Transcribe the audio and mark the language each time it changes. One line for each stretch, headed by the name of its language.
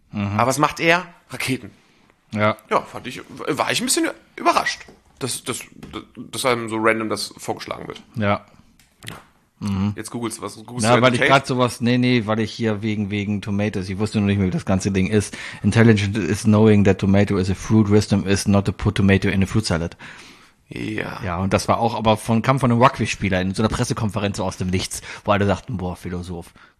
German: Mhm. Aber was macht er? Raketen. Ja. Ja, war ich ein bisschen überrascht, dass einem so random das vorgeschlagen wird. Ja. Mhm. Jetzt googelst du was. Ja, weil ich gerade sowas, nee, weil ich hier wegen Tomatoes, ich wusste noch nicht mehr, wie das ganze Ding ist.
English: Intelligent is knowing that tomato is a fruit, wisdom is not to put tomato in a fruit salad.
German: Ja. Ja, und das war auch, aber kam von einem Rugby-Spieler in so einer Pressekonferenz aus dem Nichts, wo alle sagten, boah, Philosoph.